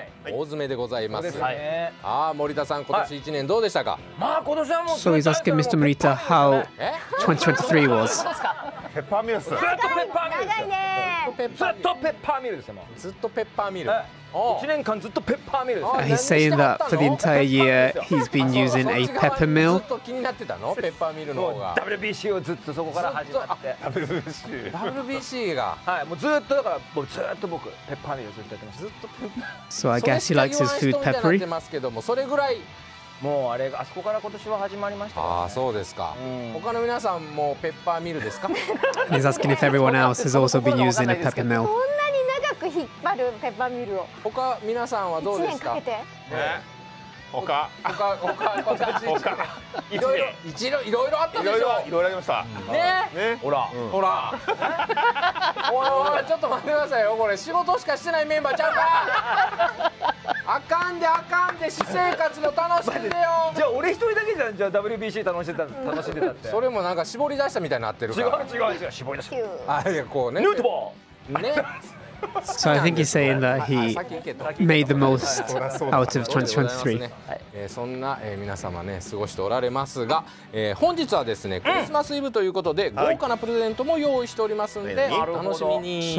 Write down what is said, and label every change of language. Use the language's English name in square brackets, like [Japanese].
[Japanese] 大詰めでございます。はい、あ、森田さん、今年一年どうでしたか。まあ今年はもう。 [English] So he's asking Mr. Morita how 2023 was. [Japanese] ペッパーミルス。ずっとペッパーミルス。長いね。ずっとペッパーミルスですよ。ずっとペッパーミル。一年間ずっとペッパーミル。 [English] He's saying that for the entire year he's been using a pepper mill. [Japanese] ずっと気になってたの？ペッパーミルの方が。 WBC をずっとそこから始まって。 WBC。 WBC が。はい、もうずっとだからもうずっと僕ペッパーミルずっとやってます。ずっとペッパー。 [English] So I guess he likes his food peppery. [Japanese] ってますけどもそれぐらい。もうあれあそこから今年は始まりましたね。ああそうですか、うん。他の皆さんもペッパーミルですか [English] ？He's asking if everyone else has also been using a pepper mill。 [Japanese] こんなに長く引っ張るペッパーミルを。他皆さんはどうですか？ 1年かけて。他。他。いろいろ。いろいろあったでしょ。いろいろありました。ね。ね。ほら。うん、ほら。おいちょっと待ってくださいよこれ仕事しかしてないメンバーちゃんか。あかんであかんで私生活も楽しんでよじゃあ俺一人だけじゃんじゃあ WBC 楽しんでたってそれもなんか絞り出したみたいになってるから違う絞り出したあいやこうねヌートバーね [English] So I think he's saying that he made the most out of 2023. [Japanese] そんな皆様ね過ごしておられますが、本日はですねクリスマスイブということで豪華なプレゼントも用意しておりますので楽しみに。